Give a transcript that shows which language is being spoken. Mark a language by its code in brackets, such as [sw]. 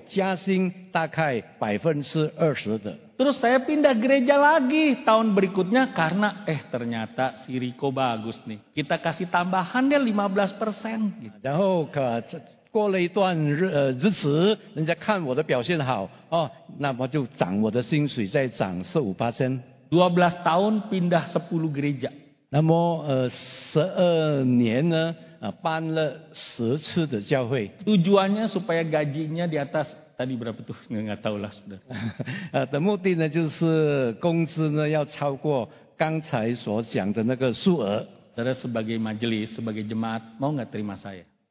[zh] 其实应该我当初离开这个利春堂的时候，我应该找那个教会能够给我加薪大概20%的。 [id] Terus saya pindah gereja lagi tahun berikutnya karena ternyata si Rico bagus nih. Kita kasih tambahan dia 15%. Lalu setelah [zh] 一段日子，人家看我的表现好，哦，那么就涨我的薪水再涨15%。 [id] 12 tahun pindah 10 gereja. [zh] 那么12年呢，搬了10次的教会。 [id] Tujuannya supaya gajinya di atas. Tadi berapa tuh? Nggak tahu lah sudah. [zh] The目的呢就是工资呢要超过刚才所讲的那个数额. [id] Saudara sebagai majelis, sebagai jemaat, mau nggak terima saya?